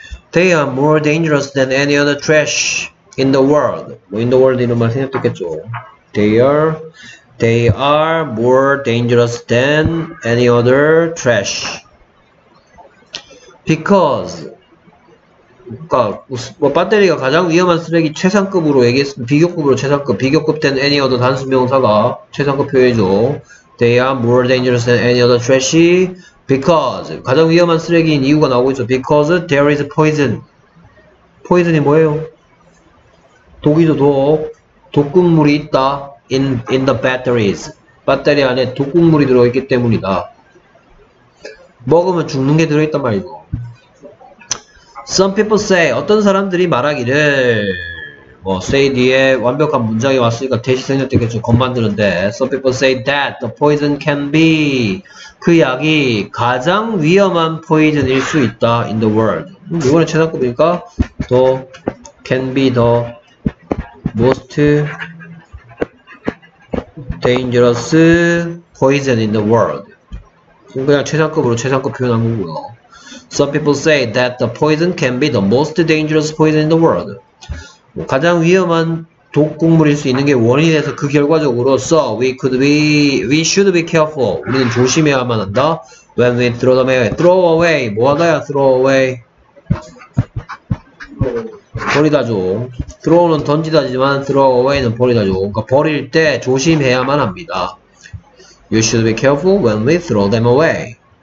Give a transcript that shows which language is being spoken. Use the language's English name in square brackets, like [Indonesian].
[English] They are more dangerous than any other trash in the world. 뭐 in the world [Korean] 이런 말 생각했겠죠. [English] They are more dangerous than any other trash. [Korean] Because 그러니까 뭐 배터리가 가장 위험한 쓰레기 최상급으로 얘기했으면 비교급으로 최상급. 비교급 than any other 단수명사가 최상급 표현이죠. [English] They are more dangerous than any other trash. [Korean] Because 가장 위험한 쓰레기인 이유가 나오고 있죠. [English] Because there is poison. [Korean] Poison이 뭐예요? 독이죠. 독. 독극물이 있다. [English] In the batteries. [Korean] 배터리 안에 독극물이 들어있기 때문이다. 먹으면 죽는 게 들어있단 말이고. [English] Some people say, [Korean] 어떤 사람들이 말하기를, 뭐, say 뒤에 완벽한 문장이 왔으니까 대시 생략되겠죠. 겁만 드는데. [English] Some people say that the poison can be, [Korean] 그 약이 가장 위험한 [English] poison일 수 있다 in the world. [Korean] 이번에 최상급이니까, [English] the can be the most dangerous poison in the world. [Korean] 그냥 최상급으로 최상급 표현한 거고요. [English] Some people say that the poison can be the most dangerous poison in the world. [Korean] 가장 위험한 독극물일 수 있는 게 원인이 돼서 그 결과적으로 [English] so we should be careful. [Korean] 우리는 조심해야만 한다. [English] When we throw them away. Throw away. [Korean] 뭐 하다야? [English] Throw away. [Korean] 버리다죠. Throw는 던지다지만 throw away는 버리다죠. 그러니까 버릴 때 조심해야만 합니다. [English] You should be careful when we throw them away.